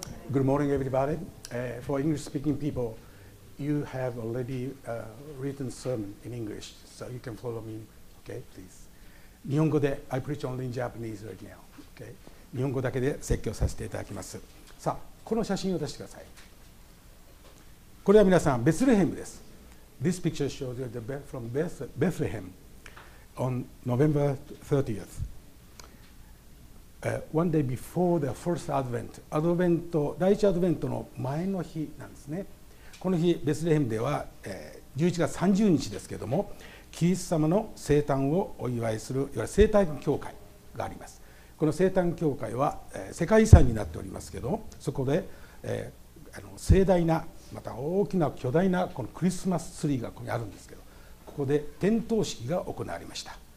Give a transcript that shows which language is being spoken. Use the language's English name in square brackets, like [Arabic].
[English] Good morning, everybody.、For English-speaking people, you have already、written sermon in English, so you can follow me, okay, please. [Japanese] 日本語で、 [English] I preach only in Japanese right now. Okay? [Japanese] 日本語だけで説教させていただきます。さあ、この写真を出してください。これは皆さん、ベツレヘムです。 [English] This picture shows you the from Bethlehem on November 30th. One day before the first Advent. [Japanese] アドベント、第一アドベントの前の日なんですね。この日、ベツレヘムでは、11月30日ですけれども、キリスト様の生誕をお祝いする、いわゆる生誕教会があります。この生誕教会は、世界遺産になっておりますけど、そこで、盛大な、また大きな巨大なこのクリスマスツリーがここにあるんですけど、ここで点灯式が行われました。